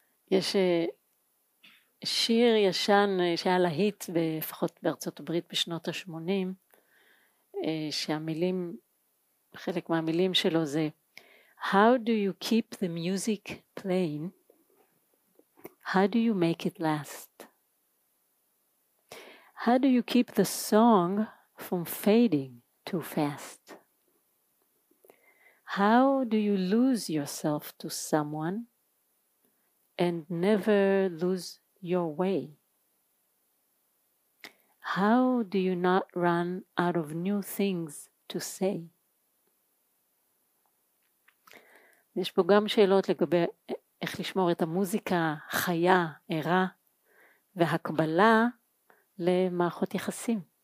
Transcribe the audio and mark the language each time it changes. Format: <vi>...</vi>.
<he>יש שיר ישן שהיה להיט בפחות בארצות הברית בשנות ה-80, שהמילים, חלק מהמילים שלו זה</he> <en>How do you keep the music playing? How do you make it last? How do you keep the song from fading too fast? How do you lose yourself to someone and never lose your way? How do you not run out of new things to say?</en> <he>יש פה גם שאלות לגבי איך לשמור את המוזיקה חיה, ערה והקבלה למערכות יחסים.</he>